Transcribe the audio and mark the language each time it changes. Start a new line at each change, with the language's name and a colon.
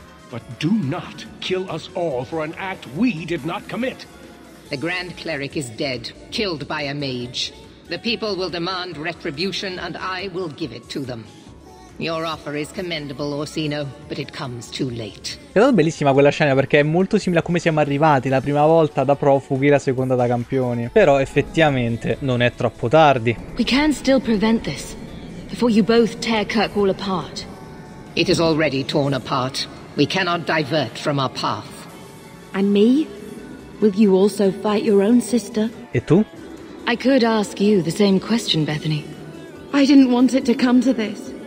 English: But do not kill us all for an act we did not commit. The Grand Cleric is dead, killed by a mage. The people will demand retribution, and I will give it to them. Your offer is commendable, Orsino, but it comes too late.
Italian: È stata bellissima quella scena perché è molto simile a come siamo arrivati la prima volta da profughi, la seconda da campioni. Però effettivamente non è troppo tardi.
English: We can still prevent this before you both tear Kirkwall apart. It is already torn apart. We cannot divert from our path. And me? Will you also fight your own sister?
Italian: E tu?
English: I could ask you the same question, Bethany. I didn't want it to come to this.